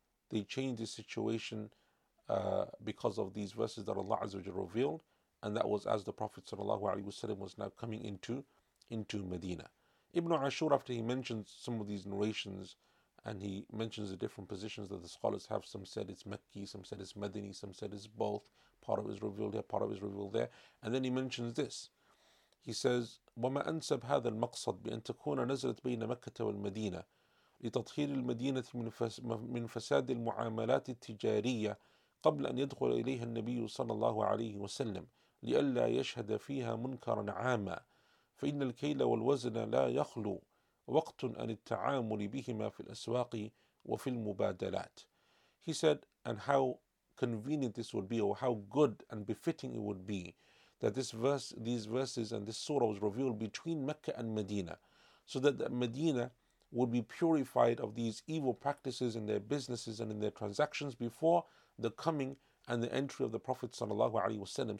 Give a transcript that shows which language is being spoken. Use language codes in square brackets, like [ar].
[en] They changed the situation because of these verses that Allah Azza wa Jalla revealed, and that was as the Prophet sallallahu alaihi wasallam was now coming into Medina. Ibn Ashur, after he mentions some of these narrations, and he mentions the different positions that the scholars have. Some said it's Mekki, some said it's Madani, some said it's both. Part of it is revealed here, part of it is revealed there. And then he mentions this. He says, [ar] وما أنسب هذا المقصد بأن تكون نزلت بين مكة والمدينة لتطهير المدينة من فساد المعاملات التجارية قبل أن يدخل إليها النبي صلى الله عليه وسلم لئلا يشهد فيها منكرا عاما فإن الكيل والوزن لا يخلو وقت عن التعامل بهما في الأسواق وفي المبادلات. [en] He said, and how convenient this would be, or how good and befitting it would be, that these verses and this surah was revealed between Mecca and Medina, so that the Medina would be purified of these evil practices in their businesses and in their transactions before the coming and the entry of the Prophet sallallahu alaihi wasallam.